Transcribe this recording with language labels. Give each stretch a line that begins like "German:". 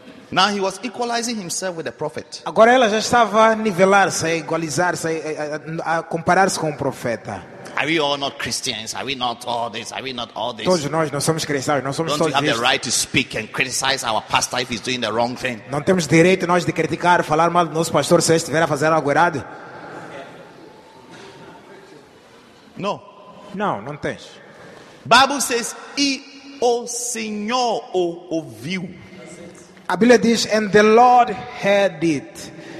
English: Now he was equalizing himself with the prophet.
Portuguese: Agora ela já estava a nivelar-se, a igualizar-se, a comparar-se com o profeta.
English: Are we all not Christians? Are we not all this? Are we not all this?
Portuguese: Todos nós não somos cristãos, não somos todos.
English: Don't we have the right to speak and criticize our pastor if he's doing the wrong thing?
Portuguese: Não temos direito nós de criticar, falar mal do nosso pastor se ele estiver a fazer algo errado?
English: No.
Portuguese: Não, não tens.
English: Bible says,
Portuguese: "E o Senhor o ouviu." A Bíblia diz,
English: "And the Lord heard it."